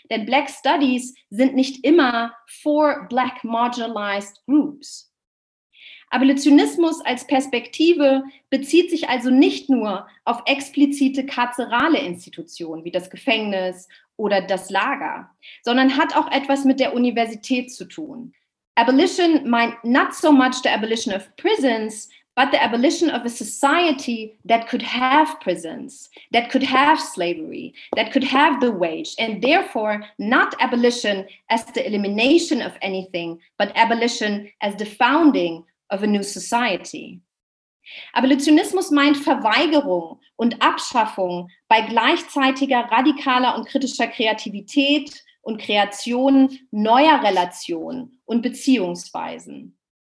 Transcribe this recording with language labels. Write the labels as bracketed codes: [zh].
[de] Denn Black Studies sind nicht immer [en] for Black marginalized groups. [de] Abolitionismus als Perspektive bezieht sich also nicht nur auf explizite karzerale Institutionen wie das Gefängnis oder das Lager, sondern hat auch etwas mit der Universität zu tun. [en] Abolition meint not so much the abolition of prisons, but the abolition of a society that could have prisons, that could have slavery, that could have the wage, and therefore not abolition as the elimination of anything, but abolition as the founding of a new society. [de] Abolitionismus meint Verweigerung und Abschaffung bei gleichzeitiger radikaler und kritischer Kreativität und Kreation neuer Relationen und Beziehungsweisen.